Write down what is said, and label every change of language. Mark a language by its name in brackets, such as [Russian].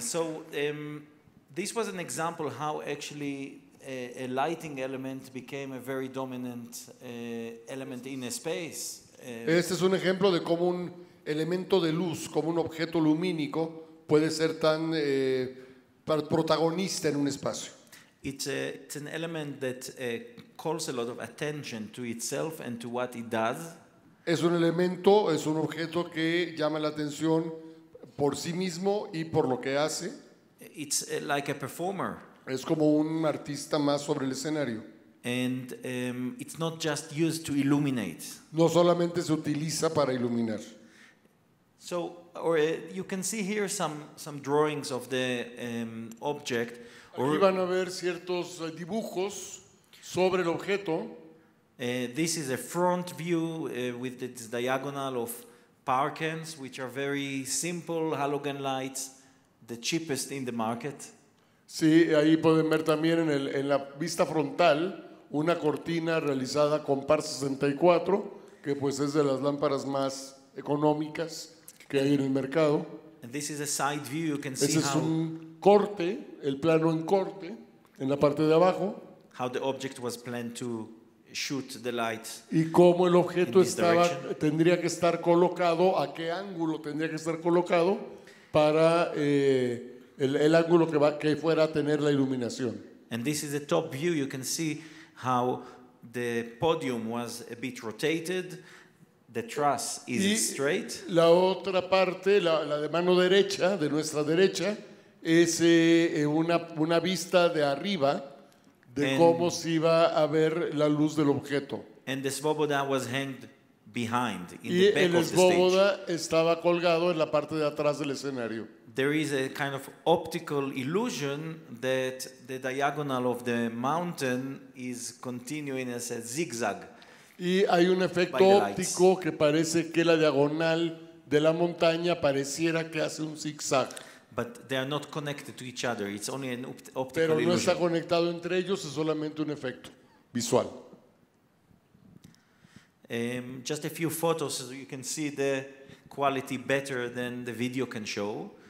[English] So, this was an example how actually a lighting element became a very dominant element in a space. [Spanish] Este es un ejemplo de cómo un elemento de luz, como un objeto lumínico, puede ser tan protagonista en un espacio. [English] It's an element that calls a lot of attention to itself and to what it does. [Spanish] Es un elemento, es un objeto que llama la atención por sí mismo y por lo que hace. [English] It's like a performer. [Spanish] Es como un artista más sobre el escenario. [English] And it's not just used to illuminate. [Spanish] No solamente se utiliza para iluminar. [English] So, or you can see here some drawings of the object. [Spanish] Aquí van a ver ciertos dibujos sobre el objeto. [English] This is a front view with its diagonal of parkens, which are very simple halogen lights, the cheapest in the market. [Spanish] Sí, ahí pueden ver también en la vista frontal una cortina realizada con par 64, que pues es de las lámparas más económicas que hay en el mercado. [English] And this is a side view. You can see [Spanish] ese es un corte, el plano en corte, en la parte de abajo. [English] How the object was planned to shoot the light. [Spanish] Y cómo el objeto estaba, tendría que estar colocado, a qué ángulo tendría que estar colocado para el ángulo que va, que fuera a tener la iluminación. [English] And this is the top view. You can see how the podium was a bit rotated. The truss is straight. [Spanish] La otra parte, la de mano derecha, de nuestra derecha, es una vista de arriba de cómo se iba a ver la luz del objeto. [English] And the svoboda was hanged behind, in [Spanish] y [English] the back of the stage. [Spanish] El svoboda estaba colgado en la parte de atrás del escenario. [English] There is a kind of optical illusion that the diagonal of the mountain is continuing as a zigzag. [Spanish] Y hay un efecto óptico que parece que la diagonal de la montaña pareciera que hace un zigzag. [English] But they are not connected to each other. It's only an optical illusion. [Spanish] Pero no está conectado entre ellos, es solamente un efecto visual. [English] Just a few photos so you can see the quality better than the video can show.